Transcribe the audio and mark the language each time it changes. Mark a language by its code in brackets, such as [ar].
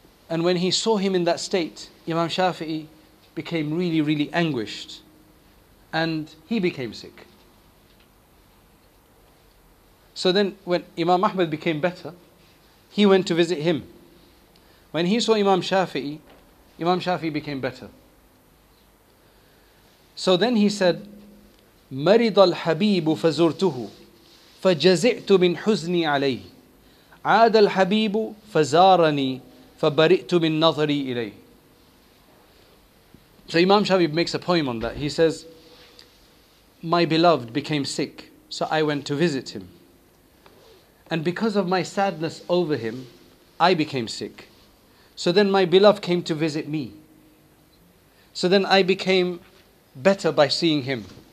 [en] And when he saw him in that state, Imam Shafi'i became really, really anguished. And he became sick. So then when Imam Ahmad became better, he went to visit him. When he saw Imam Shafi'i, Imam Shafi'i became better. So then he said, [ar] مَرِضَ الْحَبِيبُ فَزُرْتُهُ فَجَزِعْتُ مِنْ حُزْنِي عَلَيْهِ. عاد الحبيب فزارني فبرئت من نظري إليه. [en] So Imam Shabib makes a poem on that. He says, my beloved became sick, so I went to visit him. And because of my sadness over him, I became sick. So then my beloved came to visit me. So then I became better by seeing him.